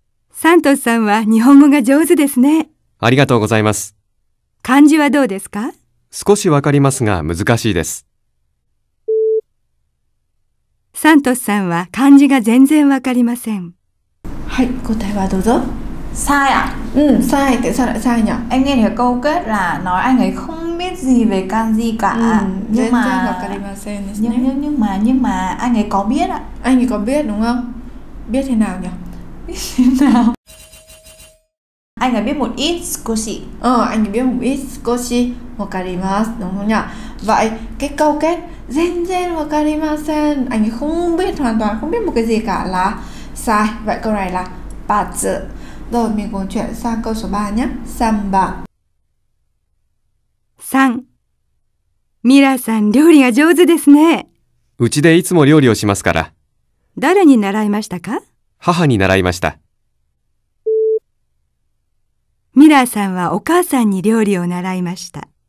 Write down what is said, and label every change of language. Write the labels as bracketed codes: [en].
[ja] サントスさんは日本語が上手ですね。ありがとうございます。漢字はどうですか? 少しわかりますが難しいです。サントスさんは漢字が全然わかりません。はい、答えはどうぞ。 [vi] Sai à? Ừ, sai. Tại sao lại sai nhỉ? Em nghe được câu kết là nói anh ấy không biết gì về kanji cả. Ừ, nhưng mà anh ấy có biết ạ. Anh ấy có biết đúng không? Biết thế nào nhỉ? Biết thế nào? Anh ấy biết một ít, skoshi. Ờ, anh ấy biết một ít, skoshi. Wakarimasu, đúng không nhỉ? Vậy, cái câu kết [ja] zenzen wakarimasen, [vi] anh ấy không biết hoàn toàn, không biết một cái gì cả là sai. Vậy câu này là batsu. Rồi mình cùng chuyển sang câu số 3 nhé. Samba. [ja] San. Mira-san, 料理が上手ですね。うちでいつも料理をしますから。誰に習いましたか？母に習いました。ミラーさんはお母さんに料理を習いました。